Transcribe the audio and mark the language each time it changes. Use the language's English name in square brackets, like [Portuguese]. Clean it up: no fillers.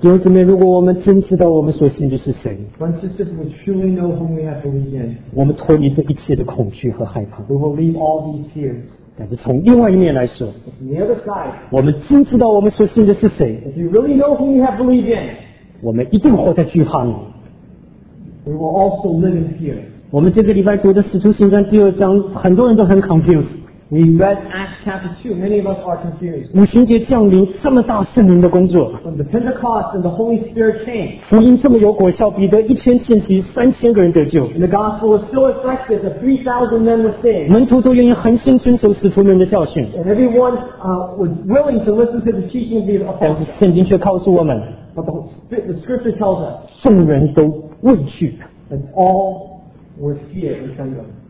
[Chinese] 弟兄姊妹，如果我们真知道我们所信的是谁 [English] ，Once this is we truly know whom we have believed in, [Chinese] 我们脱离这一切的恐惧和害怕。 [English] We will leave all these fears. [Chinese] 但是从另外一面来说 [English] the side, [Chinese] 我们真知道我们所信的是谁 [English] if you、really、know whom you have believed in, [Chinese] 我们一定活在惧怕里 [English] we will also live in fear. [Chinese] 我们这个礼拜读的使徒行传第二章很多人都很 confused [English] We read Acts chapter 2, many of us are confused. [Chinese] 五旬节降临这么大圣灵的工作 [English] When the Pentecost and the Holy Spirit came, [Chinese] 福音这么有果效彼得一天信息三千个人得救 [English] And the gospel was so effective that 3,000 men were saved. [Chinese] 门徒都愿意恒心遵守使徒们的教训 [English] And everyone、was willing to listen to the teaching of the apostles. [Chinese] 但是圣经却告诉我们 [English] But the scripture tells us, [Chinese] 众人都畏惧 [English] And all were feared and trembled.